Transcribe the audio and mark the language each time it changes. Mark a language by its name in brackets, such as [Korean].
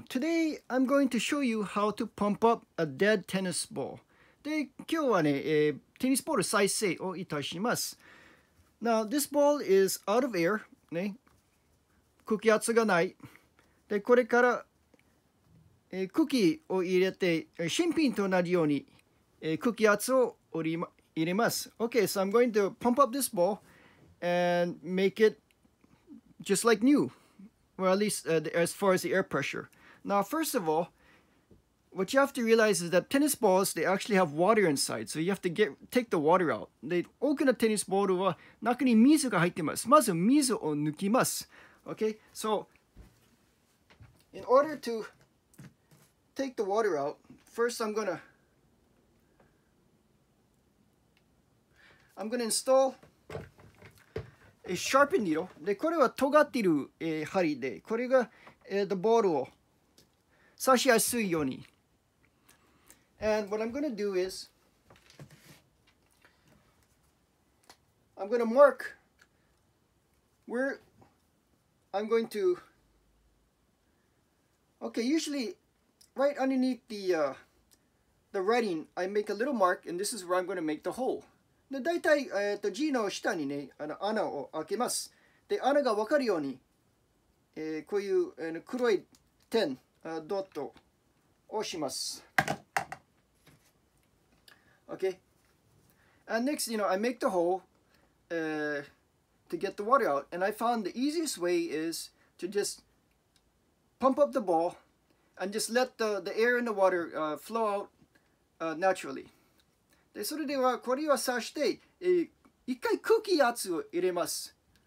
[English] Today I'm going to show you how to pump up a dead tennis ball. [Japanese] で、今日はね、テニスボール再生をいたします。 [English] Now, this ball is out of air. [Japanese] ね、空気圧がない。で、これから、空気を入れて、新品となるように、空気圧を入れます。 [English] Okay, so I'm going to pump up this ball and make it just like new. Well, at least as far as the air pressure. Now, first of all, what you have to realize is that tennis balls, they actually have water inside. So you have to take the water out. [Japanese] で、多くのテニスボールは中に水が入ってます。まず水を抜きます。 [English] Okay? So, in order to take the water out, first I'm gonna install... A sharp needle. [Japanese] で、これは尖っている、針で、これが、 [English] the ball [Japanese] を刺しやすいように。 [English] And what I'm gonna do is, I'm gonna mark where I'm going to. Okay, usually right underneath the writing, I make a little mark, and this is where I'm gonna make the hole. [Japanese] で、大体、G の下にね、穴を開けます。で、穴が分かるように、こういう、黒い点、ドットをします。 [English] Okay? And next, you know, I make the hole, to get the water out. And I found the easiest way is to just pump up the ball and just let the air and the water, flow out, naturally. [Japanese] でそれでは、これを刺して、一回空気圧を入れます。